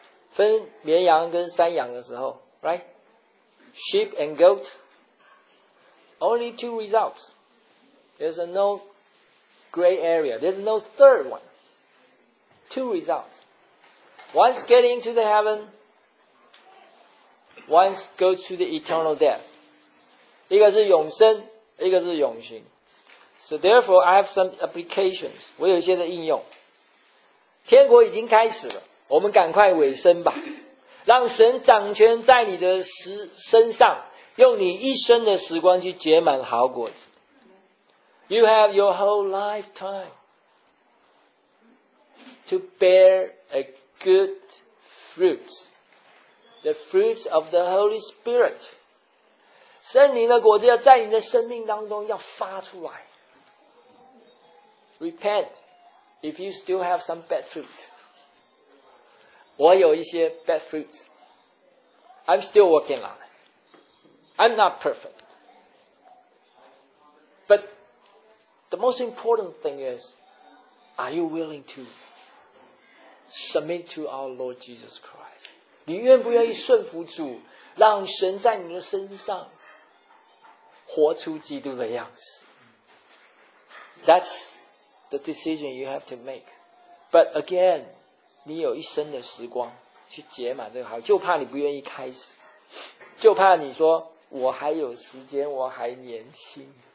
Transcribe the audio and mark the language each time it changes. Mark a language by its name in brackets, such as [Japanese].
[Chinese] 分绵羊跟山羊的时候， [English] right， sheep and goat， only two results， there's no gray area， there's no third one， two results， once getting to the heaven， once go to the eternal death， [Chinese] 一个是永生，一个是永行。 [English] So therefore, I have some applications. [Chinese] 我有一些的应用。天国已经开始了，我们赶快尾声吧，让神掌权在你的身上，用你一生的时光去结满好果子。 [English] You have your whole lifetime to bear a good fruit, the fruits of the Holy Spirit. [Chinese] 圣灵的果子要在你的生命当中要发出来。 [English] Repent if you still have some bad fruits. [Chinese] 我有一些 [English] bad fruits. I'm still working on it. I'm not perfect. But the most important thing is, are you willing to submit to our Lord Jesus Christ? [Chinese] 你愿不愿意顺服主，让神在你的身上活出基督的样子。 [English] That's the decision you have to make. But again, [Chinese] 你有一生的时光去结满这个好，就怕你不愿意开始，就怕你说我还有时间，我还年轻。